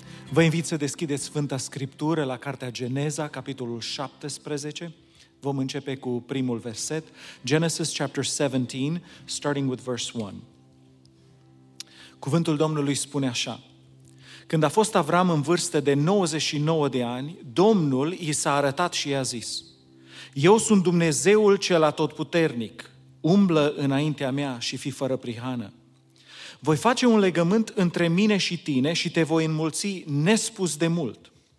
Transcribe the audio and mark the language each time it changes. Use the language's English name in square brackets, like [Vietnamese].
[Romanian] Vă invit să deschideți Sfânta Scriptură la Cartea Geneza, capitolul 17. Vom începe cu primul verset. [English] Genesis chapter 17, starting with verse 1. [Romanian] Cuvântul Domnului spune așa. Când a fost Avram în vârstă de 99 de ani, Domnul i s-a arătat și i-a zis: Eu sunt Dumnezeul cel atotputernic. Umblă înaintea mea și fii fără prihană. Voi face un legământ între mine și tine și te voi înmulți nespus de mult.